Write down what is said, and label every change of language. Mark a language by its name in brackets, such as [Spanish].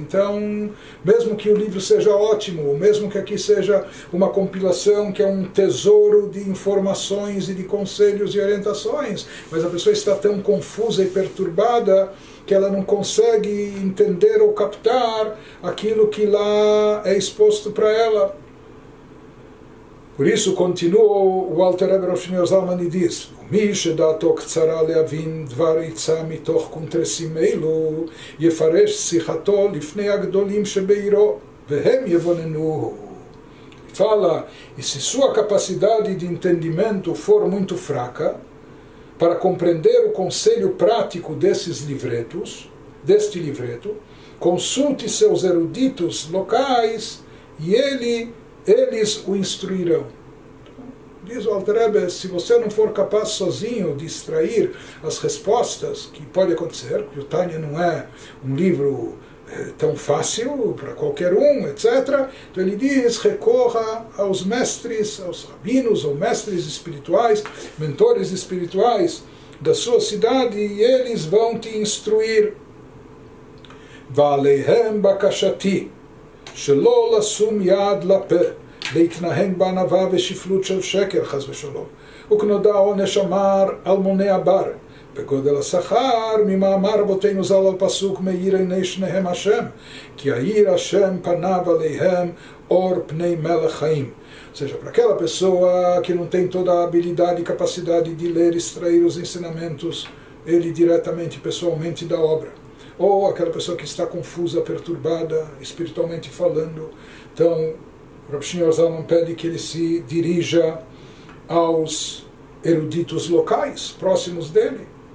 [Portuguese] Então, mesmo que o livro seja ótimo, mesmo que aqui seja uma compilação que é um tesouro de informações e de conselhos e orientações, mas a pessoa está tão confusa e perturbada que ela não consegue entender ou captar aquilo que lá é exposto para ela. Por isso, continua o Alter Rebbe Rav Shneur Zalman e diz: [Hebrew] מי שדעתו קצרה להבין דבר יצא מתוך קונטרסים אלו, יפרש שיחתו לפני הגדולים שבעירו, והם יבוננוהו. [Portuguese] Fala, e se sua capacidade de entendimento for muito fraca para compreender o conselho prático desses livretos, deste livreto, consulte seus eruditos locais e eles o instruirão. Diz o Alter Rebbe, se você não for capaz sozinho de extrair as respostas, que pode acontecer, porque o Tânia não é um livro tão fácil para qualquer um, etc. Então ele diz, recorra aos mestres, aos rabinos, ou mestres espirituais, mentores espirituais da sua cidade, e eles vão te instruir. [Hebrew] ועליהם בקשתי שלא לשום יד לפה, להתנהג בענווה ושפלות של שקר חס ושלום, וכנודע עונש אמר על מונה הבר, בגודל השכר ממאמר רבותינו זל על פסוק מאיר עיני שניהם השם, כי האיר השם פניו עליהם אור פני מלך חיים. [Portuguese] Seja para aquela pessoa que não tem toda a habilidade e capacidade de ler e extrair os ensinamentos, ele diretamente, pessoalmente, da obra. Ou aquela pessoa que está confusa, perturbada, espiritualmente falando. Então, o Rav Shneur Zalman pede que ele se dirija aos eruditos locais, próximos dele.